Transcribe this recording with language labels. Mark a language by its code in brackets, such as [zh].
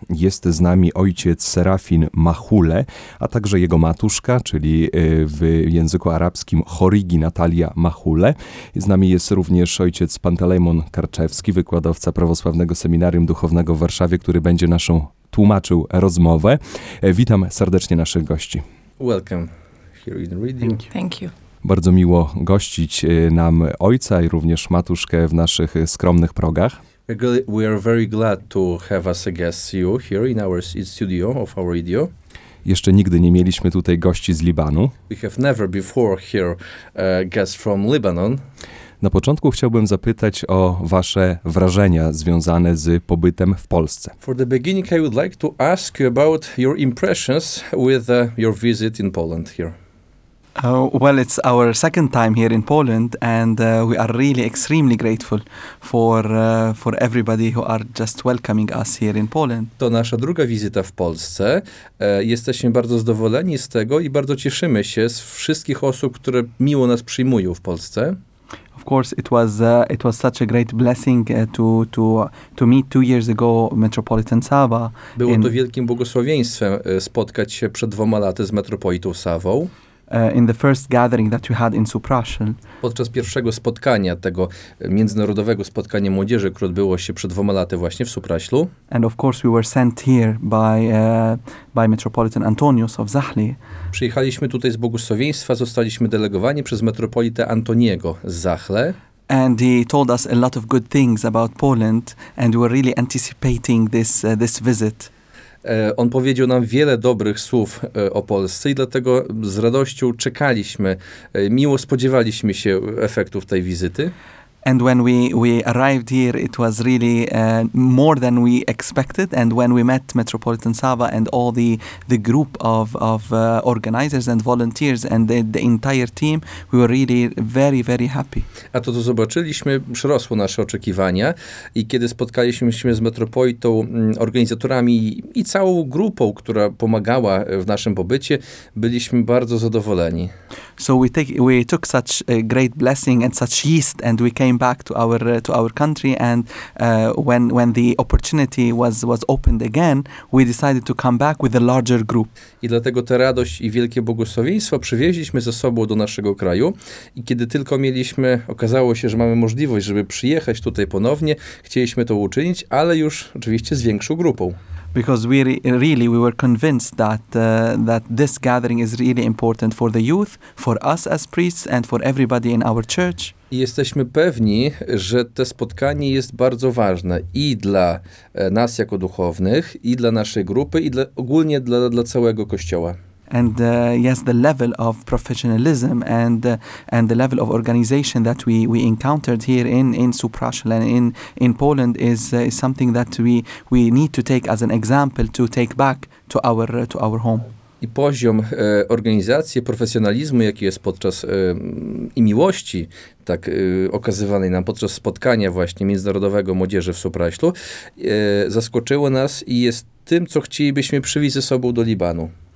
[pl] Jest z nami ojciec Serafin Mahule, a także jego matuszka, czyli w języku arabskim Chorigi Natalia Mahule. Z nami jest również ojciec Pantaleimon Karczewski, wykładowca prawosławnego seminarium duchownego w Warszawie, który będzie naszą tłumaczył rozmowę. Witam serdecznie naszych gości. [en] Welcome here in reading. Thank you. [pl] Bardzo miło gościć nam ojca i również matuszkę w naszych skromnych progach. [en] We are very glad to have us a guest you here in our studio of our radio. [pl] Jeszcze nigdy nie mieliśmy tutaj gości z Libanu. [en] We have never before here guests from Lebanon. [pl] Na początku chciałbym zapytać o wasze wrażenia związane z pobytem w Polsce. [en] For the beginning, I would like to ask you about your impressions with your visit in Poland here. Well, it's our second time here in Poland, and we are really extremely grateful for everybody who are just welcoming us here in Poland. [pl] To nasza druga wizyta w Polsce. Jesteśmy bardzo zadowoleni z tego i bardzo cieszymy się z wszystkich osób, które miło nas przyjmują w Polsce. [en] Of course, it was such a great blessing to meet 2 years ago Metropolitan Sava. [pl] Było to wielkim błogosławieństwem spotkać się przed 2 laty z Metropolitą Sawą. [en] In the first gathering that we had in Supraszyn. [pl] Podczas pierwszego spotkania, tego międzynarodowego spotkania młodzieży, które odbyło się przed 2 laty właśnie w Supraślu. [en] And of course we were sent here by Metropolitan Antonius of Zachli. [pl] Przyjechaliśmy tutaj z błogosławieństwa, zostaliśmy delegowani przez metropolitę Antoniego z Zachle. [en] And he told us a lot of good things about Poland, and we were really anticipating this visit. [pl] On powiedział nam wiele dobrych słów o Polsce i dlatego z radością czekaliśmy, miło spodziewaliśmy się efektów tej wizyty. [en] And when we arrived here, it was really more than we expected. And when we met Metropolitan Sava and all the group of organizers and volunteers and the entire team, we were really very, very happy. [pl] A to zobaczyliśmy, przerosło nasze oczekiwania. I kiedy spotkaliśmy się z Metropolitą, organizatorami i całą grupą, która pomagała w naszym pobycie, byliśmy bardzo zadowoleni. [en] So we took such a great blessing and such yeast, and we came back to our country, and when the opportunity was opened again, we decided to come back with a larger group. [pl] I dlatego tę radość i wielkie błogosławieństwo przywieźliśmy ze sobą do naszego kraju. I kiedy tylko mieliśmy, okazało się, że mamy możliwość, żeby przyjechać tutaj ponownie, chcieliśmy to uczynić, ale już oczywiście z większą grupą. [en] Because we were convinced that this gathering is really important for the youth, for us as priests, and for everybody in our church. [pl] I jesteśmy pewni, że to spotkanie jest bardzo ważne i dla nas jako duchownych, i dla naszej grupy, i ogólnie dla całego Kościoła. [en] And yes, the level of professionalism and the level of organization that we encountered here in Supraszyn and in Poland is something that we need to take as an example to take back to our home. [pl] I poziom organizacji, profesjonalizmu, jaki jest podczas i miłości tak okazywanej nam podczas spotkania właśnie Międzynarodowego Młodzieży w Supraślu, zaskoczyło nas i jest tym, co chcielibyśmy przywieźć ze sobą do Libanu.